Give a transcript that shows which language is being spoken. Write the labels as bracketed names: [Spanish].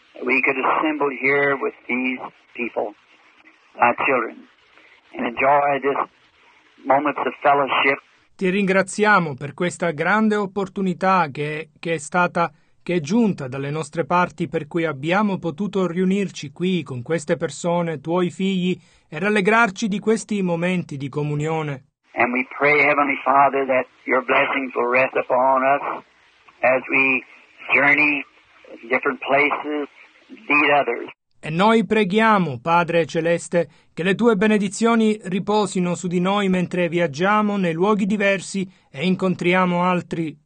[English] We could assemble here with these people, my children, and enjoy this moments of fellowship. [Italian] Ti ringraziamo per questa grande opportunità che è giunta dalle nostre parti, per cui abbiamo potuto riunirci qui con queste persone, tuoi figli, e rallegrarci di questi momenti di comunione. [English] And we pray, Heavenly Father, that your blessings will rest upon us as we journey to different places, lead others. [Italian] E noi preghiamo, Padre Celeste, che le tue benedizioni riposino su di noi mentre viaggiamo nei luoghi diversi e incontriamo altri.